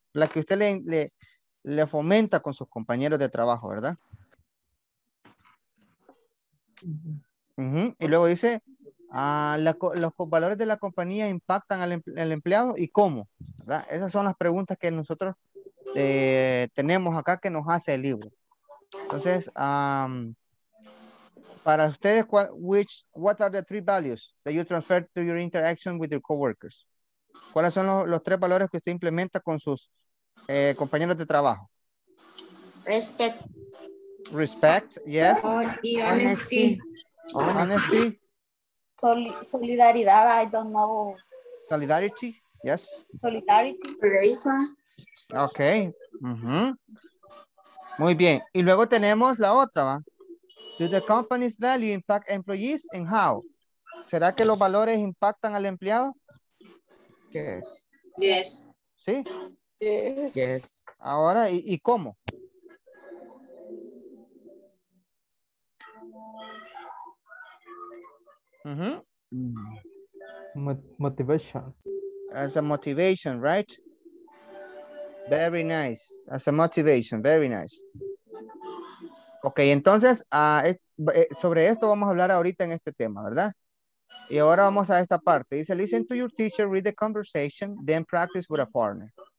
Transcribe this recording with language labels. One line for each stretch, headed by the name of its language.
Spanish: La que usted le fomenta con sus compañeros de trabajo, ¿verdad? Y luego dice... los valores de la compañía impactan al empleado y cómo, ¿verdad? Esas son las preguntas que nosotros tenemos acá que nos hace el libro. Entonces, para ustedes,
English: what are the three values that you transfer to your interaction with your coworkers?
Spanish: ¿Cuáles son los tres valores que usted implementa con sus compañeros de trabajo?
English: Respect. Respect, yes. Honesty. Honesty. Honesty.
Spanish: Solidaridad,
English: I don't know. Solidarity, yes. Solidarity. Reason. Okay.
Spanish: Muy bien. Y luego tenemos la otra, ¿va?
English: Do the company's value impact employees and how?
Spanish: ¿Será que los valores impactan al empleado? Yes.
English: Yes.
Spanish: ¿Sí?
English: Yes. Yes.
Spanish: Ahora, ¿y cómo?
English: Motivation. As a motivation, right? Very nice. As a motivation, very nice.
Spanish: Ok, entonces, sobre esto vamos a hablar ahorita en este tema, ¿verdad? Y ahora vamos a esta parte.
English: Dice, listen to your teacher, read the conversation, then practice with a partner.